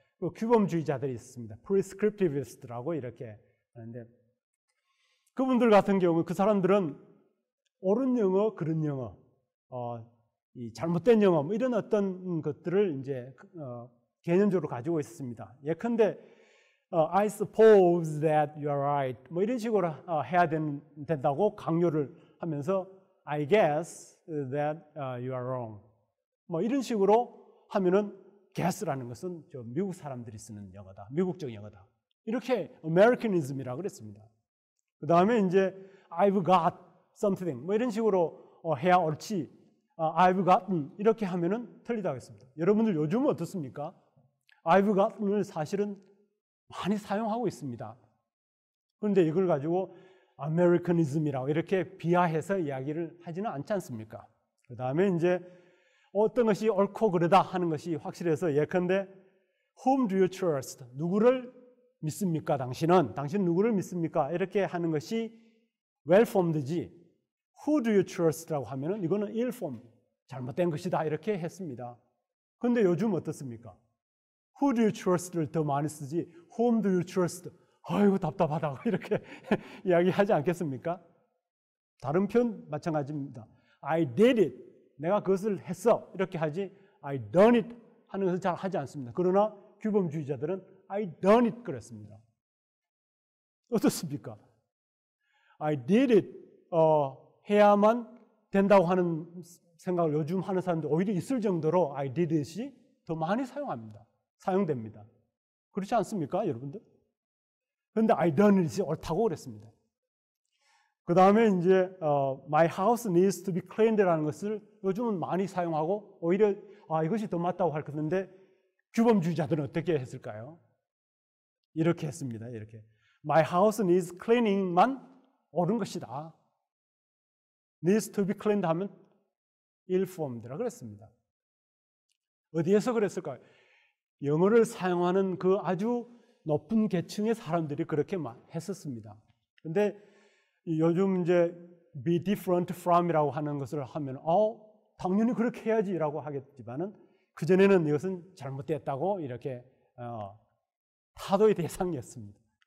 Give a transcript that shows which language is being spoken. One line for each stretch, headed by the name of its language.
Korean: 그 규범주의자들이 있었습니다. Prescriptivist라고 이렇게 하는데 그분들 같은 경우 그 사람들은 옳은 영어, 그른 영어, 이 잘못된 영어 뭐 이런 어떤 것들을 이제 개념적으로 가지고 있었습니다. 예컨대
English: I suppose that you are right
Korean: 뭐 이런 식으로 해야 된다고 강요를 하면서
English: I guess that you are wrong.
Korean: 뭐 이런 식으로 하면은 guess라는 것은 저 미국 사람들이 쓰는 영어다. 미국적 영어다. 이렇게 Americanism이라고 그랬습니다. 그 다음에 이제
English: I've got something.
Korean: 뭐 이런 식으로 해야 옳지.
English: I've gotten.
Korean: 이렇게 하면은 틀리다 하겠습니다. 여러분들 요즘은 어떻습니까?
English: I've gotten
Korean: 을 사실은 많이 사용하고 있습니다. 그런데 이걸 가지고 Americanism이라고 이렇게 비하해서 이야기를 하지는 않지 않습니까? 그 다음에 이제 어떤 것이 옳고 그르다 하는 것이 확실해서 예컨대
English: Whom do you trust?
Korean: 누구를 믿습니까? 당신은? 당신은 누구를 믿습니까? 이렇게 하는 것이 well-formed지
English: Who do you trust?
Korean: 라고 하면은 이거는 ill-formed, 잘못된 것이다 이렇게 했습니다. 그런데 요즘 어떻습니까?
English: Who do you trust?를
Korean: 더 많이 쓰지
English: Whom do you trust?
Korean: 아이고 답답하다고 이렇게 이야기하지 않겠습니까? 다른 표현 마찬가지입니다.
English: I did it.
Korean: 내가 그것을 했어 이렇게 하지
English: I done it
Korean: 하는 것을 잘 하지 않습니다. 그러나 규범주의자들은
English: I done it
Korean: 그랬습니다. 어떻습니까?
English: I did it
Korean: 해야만 된다고 하는 생각을 요즘 하는 사람들 오히려 있을 정도로 I did it이 더 많이 사용합니다. 사용됩니다. 그렇지 않습니까 여러분들? 그런데
English: I done it
Korean: 이 옳다고 그랬습니다. 그 다음에 이제
English: My house needs to be cleaned
Korean: 라는 것을 요즘은 많이 사용하고 오히려 이것이 더 맞다고 할 건데 규범주의자들은 어떻게 했을까요? 이렇게 했습니다.
English: 이렇게 My house needs cleaning만
Korean: 옳은 것이다.
English: Needs to be cleaned
Korean: 하면
English: ill-formed라
Korean: 그랬습니다. 어디에서 그랬을까요? 영어를 사용하는 그 아주 높은 계층의 사람들이 그렇게 했었습니다. 그런데 요즘 이제 be different from이라고 하는 것을 하면 당연히 그렇게 해야지라고 하겠지만은 그 전에는 이것은 잘못됐다고 이렇게 타도의 대상이었습니다.